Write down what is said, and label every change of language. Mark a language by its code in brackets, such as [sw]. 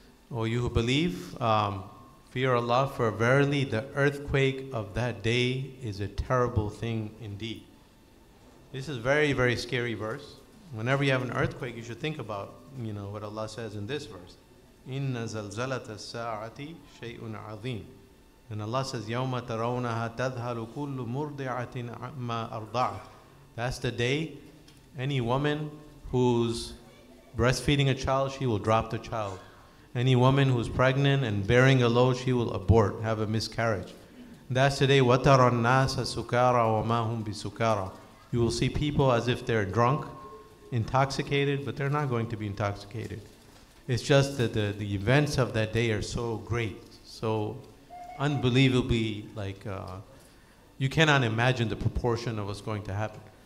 [en] O you who believe, fear Allah, for verily the earthquake of that day is a terrible thing indeed. This is a very, very scary verse. Whenever you have an earthquake, you should think about, you know, what Allah says in this verse. [ar] Inna zalzalata sa'ati shay'un 'azim. [en] And Allah says, [ar] يَوْمَ تَرَوْنَهَا تَذْهَلُ كُلُّ مُرْضِعَةٍ عَمَّا أَرْضَعَتْ. [en] That's the day any woman who's breastfeeding a child, she will drop the child. Any woman who's pregnant and bearing a load, she will abort, have a miscarriage. That's the day, [ar] وَتَرَى النَّاسَ سُكَارَ وَمَا هُمْ بِسُكَارَ. [en] You will see people as if they're drunk, intoxicated, but they're not going to be intoxicated. It's just that the events of that day are so great, so unbelievably, like, you cannot imagine the proportion of what's going to happen.